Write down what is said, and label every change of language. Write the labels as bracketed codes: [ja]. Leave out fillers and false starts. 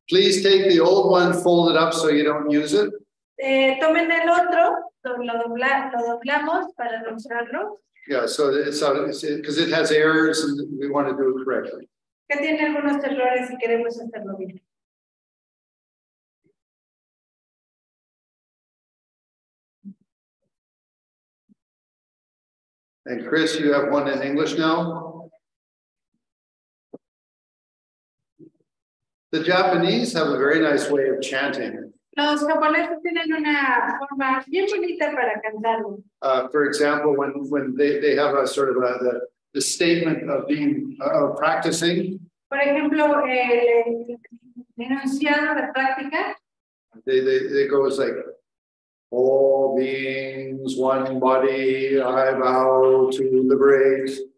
[en] Please take the old one, fold it up so you don't use it. [es] Tomen el otro, lo doblamos para no usarlo. [en] Yeah, so it's because it has errors and we want to do it correctly. [es] Que tiene algunos errores y queremos hacerlo bien. [en] And Chris, you have one in English now. The Japanese have a very nice way of chanting. [es] Los japoneses tienen una forma bien bonita para cantarlo. [en] For example, when they have a sort of the statement of being of practicing. [es] Por ejemplo, el enunciado de práctica. [en] They go like. All beings, one body, I vow to liberate.